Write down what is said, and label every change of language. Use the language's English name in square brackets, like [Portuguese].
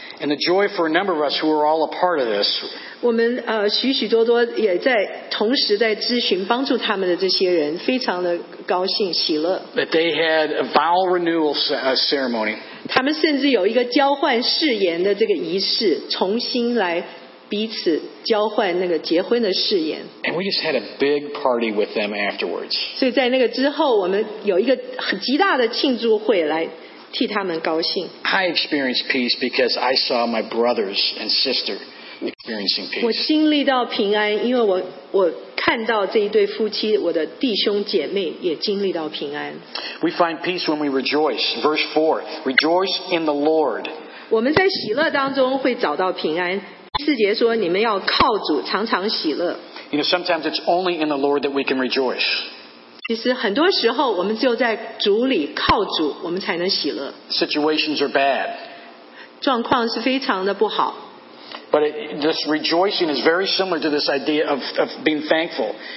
[English] And the joy for a number of us who are all a part of this. [Chinese] 我们许许多多也在同时在咨询帮助他们的这些人，非常的高兴喜乐。 [English] That they had a vow renewal ceremony. [Chinese] 他们甚至有一个交换誓言的这个仪式，重新来彼此交换那个结婚的誓言。 [English] And we just had a big party with them afterwards. [Chinese] 所以在那个之后，我们有一个很极大的庆祝会来。替他们高兴。 [English] I experienced peace because I saw my brothers and sister experiencing peace. [Chinese] 我经历到平安，因为我看到这一对夫妻，我的弟兄姐妹也经历到平安。 [English] We find peace when we rejoice. Verse 4, rejoice in the Lord. [Chinese] 我们在喜乐当中会找到平安。四节说，你们要靠主常常喜乐。 [English] You know, sometimes it's only in the Lord that we can rejoice. [Chinese] 其实很多时候我们只有在主里靠主我们才能喜乐。 [English] Situations are bad. [Chinese] 状况是非常的不好。 [English] But this rejoicing is very similar to this idea of being thankful.